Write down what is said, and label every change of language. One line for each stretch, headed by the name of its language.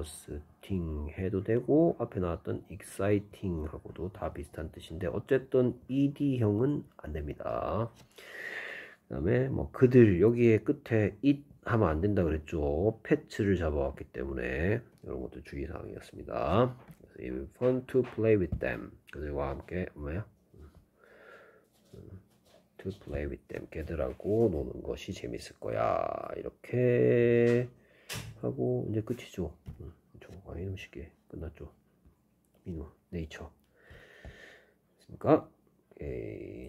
Korean: interesting 해도 되고, 앞에 나왔던 exciting 하고도 다 비슷한 뜻인데, 어쨌든 ed형은 안 됩니다. 그다음에 뭐 그들 여기에 끝에 it 하면 안 된다 그랬죠. 패츠를 잡아왔기 때문에 이런 것도 주의 사항이었습니다.
English: It will be fun to play with them.
Korean: 그들과 함께 뭐야?
English: To play with them.
Korean: 걔들하고 노는 것이 재밌을 거야. 이렇게 하고 이제 끝이죠. 저거 아니 쉽게 끝났죠. 민우 네이처. 됐습니까? 오케이.